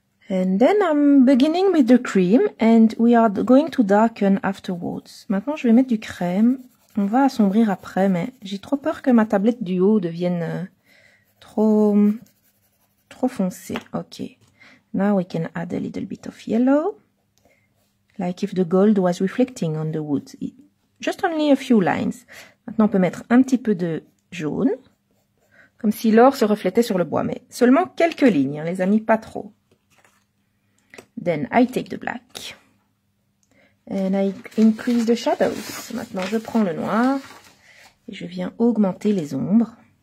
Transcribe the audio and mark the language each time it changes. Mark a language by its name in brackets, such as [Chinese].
[English] And then I'm beginning with the cream and we are going to darken afterwards. [French] Maintenant, je vais mettre du crème. On va assombrir après, mais j'ai trop peur que ma tablette du haut devienne trop foncée. [English] OK. Now we can add a little bit of yellow. Like if the gold was reflecting on the wood. Just only a few lines. [French] Maintenant, on peut mettre un petit peu de jaune. Comme si l'or se reflétait sur le bois, mais seulement quelques lignes, hein, les amis, pas trop. [English] Then I take the black and I increase the shadows. [French] Maintenant, je prends le noir et je viens augmenter les ombres.